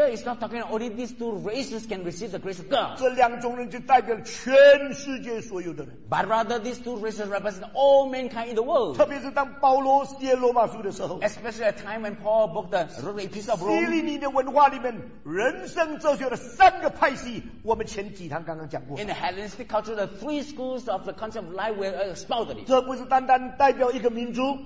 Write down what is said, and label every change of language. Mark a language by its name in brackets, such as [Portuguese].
[English] here it's not talking only these two races can receive the grace of God. [Chinese] 这两种人就代表全世界所有的人, [English] but rather these two races represent all mankind in the world. [Chinese] 特别是当保罗写罗马书的时候, [English] especially at the time when Paul wrote the Epistle of Rome, [Chinese] 文化里面人生哲学的三个派系我们前几堂刚刚讲过, [English] in the Hellenistic culture the three schools of the concept of life were expounded. [Chinese] 这不是单单代表一个民族,